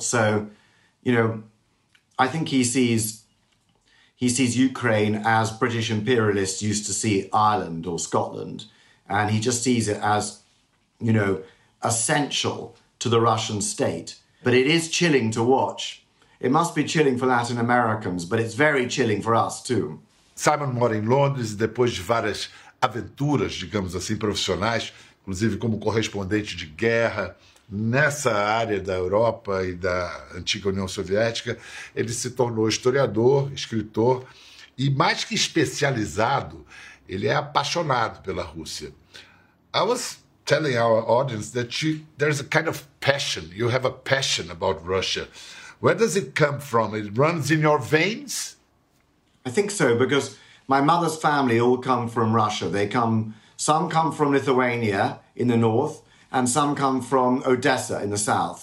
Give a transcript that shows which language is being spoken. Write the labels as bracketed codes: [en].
[en] So, you know, I think he sees Ukraine as British imperialists used to see Ireland or Scotland. And he just sees it as, you know, essential to the Russian state. But it is chilling to watch. It must be chilling for Latin Americans, but it's very chilling for us too. [pt] Simon mora em Londres e depois de várias aventuras, digamos assim, profissionais, inclusive como correspondente de guerra nessa área da Europa e da antiga União Soviética, ele se tornou historiador, escritor e, mais que especializado, ele é apaixonado pela Rússia. [en] I was telling our audience that there's a kind of passion. You have a passion about Russia. Where does it come from? It runs in your veins? I think so, because my mother's family all come from Russia. Some come from Lithuania in the north, and some come from Odessa in the south.